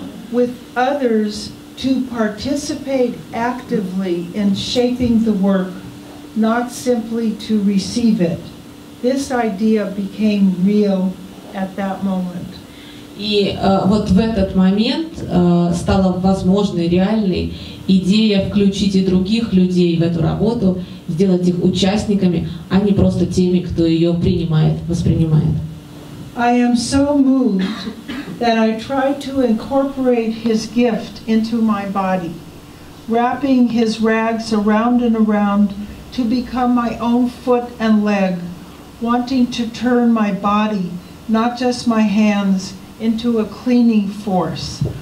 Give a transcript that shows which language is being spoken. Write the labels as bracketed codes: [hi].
[en] With others to participate actively in shaping the work, not simply to receive it. This idea became real at that moment. [ru] И вот в этот момент стала возможной реальной идея включить и других людей в эту работу, сделать их участниками, а не просто теми, кто ее принимает, воспринимает. [en] I am so moved that I tried to incorporate his gift into my body, wrapping his rags around and around to become my own foot and leg, wanting to turn my body, not just my hands, into a cleaning force.